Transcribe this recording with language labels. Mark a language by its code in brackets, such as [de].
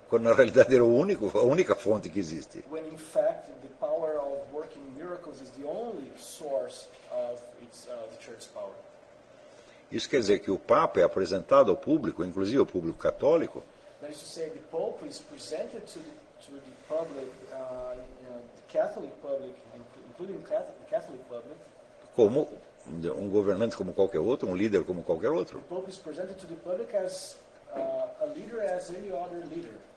[pt] Quando na realidade era a única fonte que existe. [en] When in fact the power of working miracles is the only source of the church's power. [pt] Isso quer dizer que o Papa é apresentado ao público, inclusive ao público católico. [en] That is to say the Pope is presented to the public, the Catholic public, including the Catholic public. [pt] Como um governante como qualquer outro, um líder como qualquer outro. [en] The Pope is presented to the public as a leader as any other leader,